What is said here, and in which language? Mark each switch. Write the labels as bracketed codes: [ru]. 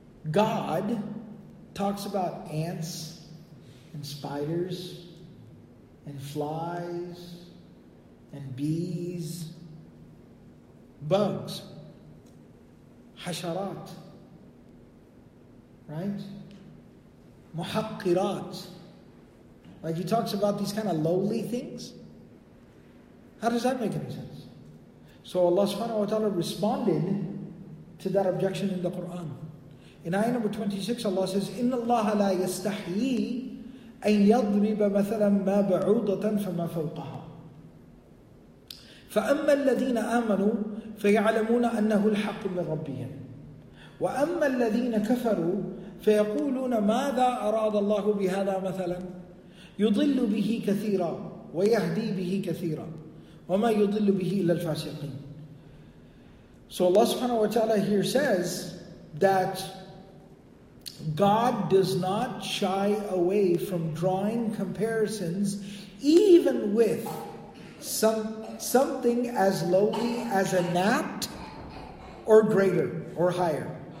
[en] God talks about ants and spiders and flies and bees, bugs, hasharat, right? Muhaqqirat. Like, He talks about these kind of lowly things. How does that make any sense? So Allah subhanahu wa ta'ala responded to that objection in the Quran. In ayah number 26, Allah says, [ar] إِنَّ اللَّهَ لَا يَسْتَحْيِي أَنْ يَضْرِبَ مَثَلًا مَا بَعُوضَةً فَمَا فَوْقَهَا فَأَمَّا الَّذِينَ آمَنُوا فَيَعْلَمُونَ أَنَّهُ الْحَقُّ مِنْ رَبِّهِمْ وَأَمَّا الَّذِينَ كَفَرُوا فَيَقُولُونَ مَاذَا أَرَادَ اللَّهُ بِهَذَا مَثَلًا يُضِلُّ بِهِ كَثِيرًا وَيَهْدِي بِهِ كَثِيرًا وَمَا يُضِلُّ بِهِ إِلَّا الْفَاسِقِينَ. [en] So Allah subhanahu wa ta'ala here says that God does not shy away from drawing comparisons even with something as lowly as a gnat or greater or higher.